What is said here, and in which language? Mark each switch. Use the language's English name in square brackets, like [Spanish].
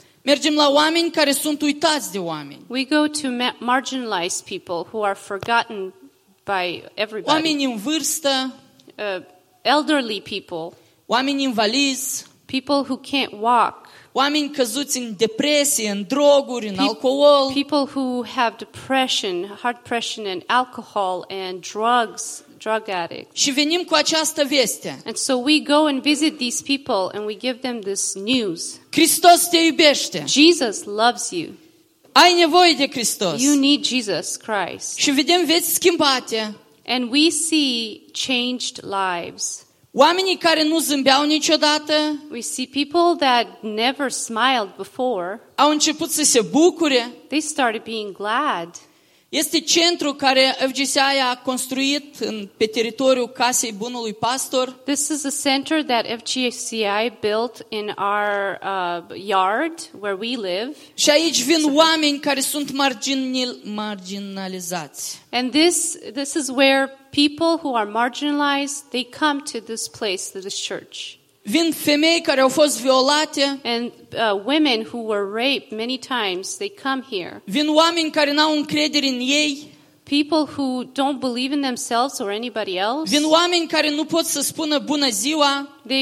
[Romanian] Mergem la oameni care sunt uitați de oameni. [English] We go to marginalized people who are forgotten by everybody. [Romanian] Oameni în vârstă, [English] elderly people. [Romanian] Oameni invalizi, [English] people who can't walk. [Romanian] Oameni căzuți în depresie, în droguri, în alcool. [English] People who have depression, heart depression and alcohol and drugs, drug addicts. [Romanian] Și venim cu această veste. [English] And so we go and visit these people and we give them this news. [Romanian] Hristos te iubește. [English] Jesus loves you. [Romanian] Ai nevoie de Hristos. [English] You need Jesus Christ. [Romanian] Și vedem vieți schimbate. [English] And we see changed lives. [Romanian] Oamenii care nu zâmbeau niciodată, [English] we see people that never smiled before, [Romanian] au început să se bucure. [English] They started being glad. [Romanian] Este centrul care FGCI a construit pe teritoriul casei bunului pastor. [English] This is a center that FGCI built in our yard where we live. [Romanian] Și aici vin oameni care sunt marginalizați. [English] And this is where people who are marginalized, they come to this place, to this church. [Romanian] Vin femei care au fost violate. [English] And women who were raped many times, they come here. [Romanian] Vin oameni care n-au încredere în ei. [English] People who don't believe in themselves or anybody else. [Romanian] Vin oameni care nu pot să spună bună ziua.